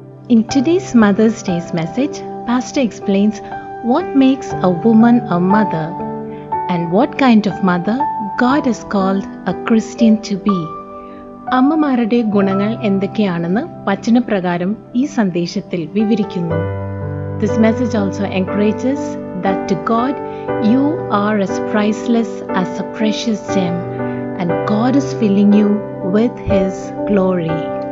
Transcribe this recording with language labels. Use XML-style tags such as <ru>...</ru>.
<en>In today's Mother's Day's message, Pastor explains what makes a woman a mother and what kind of mother God has called a Christian to be.</en> <ml>അമ്മമാരുടെ ഗുണങ്ങൾ എന്തൊക്കെയാണെന്ന് വചനപ്രകാരം ഈ സന്ദേശത്തിൽ വിവരിക്കുന്നു.</ml> <en>This message also encourages that to God, you are as priceless as a precious gem and God is filling you with His glory.</en>